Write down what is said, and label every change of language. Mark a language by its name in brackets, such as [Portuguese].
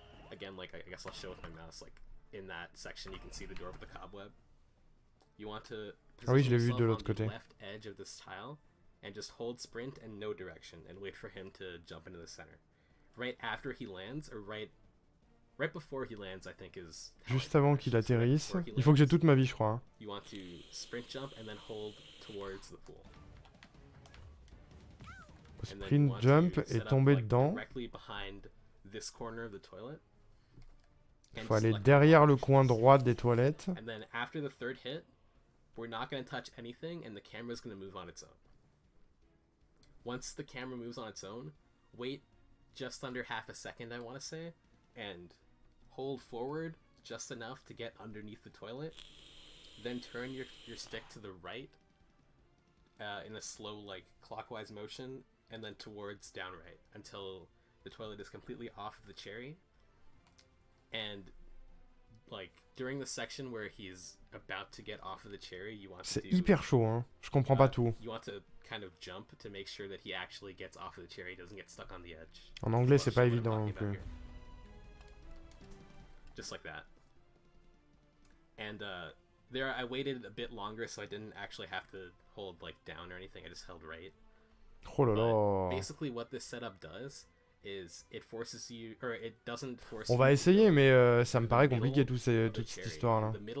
[English] Again, like I guess I'll show with my mouse, like in that section you can see the door with the cobweb. You want to [French] position oui, je l'ai vu de l'autre [English] on the [French] côté. [English] Left edge of this tile, and just hold sprint and no direction, and wait for him to jump into the center. Right after he lands, or right... Right before he lands, I think is [French] juste avant qu'il atterrisse, il faut que j'ai toute ma vie, je crois. [English] You want to sprint jump and then hold towards the pool. [French] Sprint jump et tomber dedans. [English] Directly behind this corner of the toilet. [French] Il faut aller derrière le coin droit des toilettes. [English] And then after the third hit, we're not going to touch anything and the camera is going to move on its own. once the camera moves on its own, wait just under half a second, I want to say, and hold forward just enough to get underneath the toilet, then turn your stick to the right in a slow, like, clockwise motion, and then towards downright until the toilet is completely off of the cherry. And, like, during the section where he's about to get off of the cherry, you want to do... [French] C'est hyper chaud, hein. Je comprends pas tout. [English] You want to kind of jump to make sure that he actually gets off of the cherry, doesn't get stuck on the edge. [French] En anglais, c'est pas évident non plus. [English] Just like that. And, there, I waited a bit longer, so I didn't actually have to hold, like, down or anything. I just held right. [French] Oh là là. [English] Basically, what this setup does... is it forces you, or it doesn't force [French] on va essayer, mais ça me paraît compliqué toute cette histoire là.